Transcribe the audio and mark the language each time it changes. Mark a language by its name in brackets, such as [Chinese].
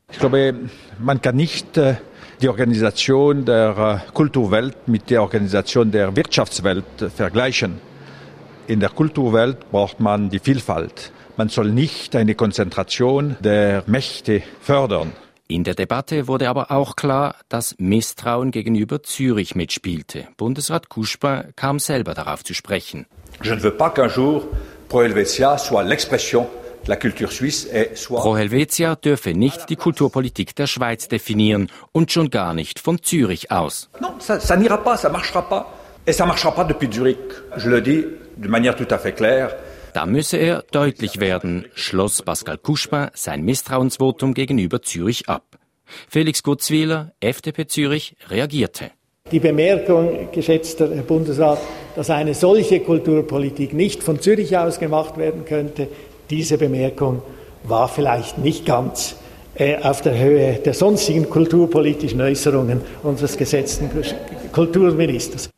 [German] Ich glaube, man kann nicht die Organisation der Kulturwelt mit der Organisation der Wirtschaftswelt vergleichen. In der Kulturwelt braucht man die Vielfalt. Man soll nicht eine Konzentration der Mächte fördern. In der Debatte wurde aber auch klar, dass Misstrauen gegenüber Zürich mitspielte. Bundesrat Couchepin kam selber darauf zu sprechen. [French] Je ne veux pas qu'un jour Pro Helvetia soit l'expression de la culture suisse et soit... [German] Pro Helvetia dürfe nicht die Kulturpolitik der Schweiz definieren und schon gar nicht von Zürich aus. [French] Non, ça n'ira pas, ça marchera pas. Et ça marchera pas depuis Zürich. Je le dis de manière tout à fait claire. [German] Da müsse er deutlich werden, schloss Pascal Couchepin sein Misstrauensvotum gegenüber Zürich ab. Felix Gutzwiller, FDP Zürich, reagierte. Die Bemerkung, geschätzter Herr Bundesrat, dass eine solche Kulturpolitik nicht von Zürich aus gemacht werden könnte, diese Bemerkung war vielleicht nicht ganz auf der Höhe der sonstigen kulturpolitischen Äußerungen unseres geschätzten Kulturministers.